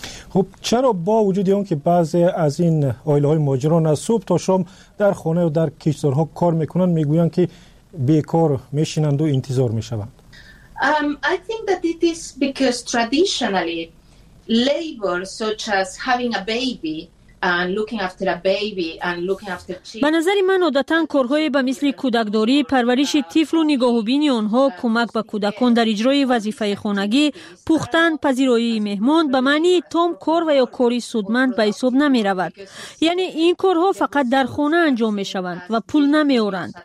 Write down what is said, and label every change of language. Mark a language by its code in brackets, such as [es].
[fa] خب چرا با وجود اون که بعضی از این آیله های مهاجران از صبح تا شام در خانه و در کشتارها کار میکنند میگویند که بیکار میشینند و انتظار میشوند؟ [en] I think that it is because traditionally labor such as having a baby and looking after a baby and looking after children. [fa] به نظر من عادتاً کارهای به مثل کودکداری، پرورش طفل و نگاه و بینی آنها، کمک به کودکان در اجرای وظیفه خانگی، پختن، پذیرایی مهمان به معنی تام کار و یا کاری سودمند به حساب نمی رود. یعنی این کارها فقط در خانه انجام می شوند و پول نمی آورند.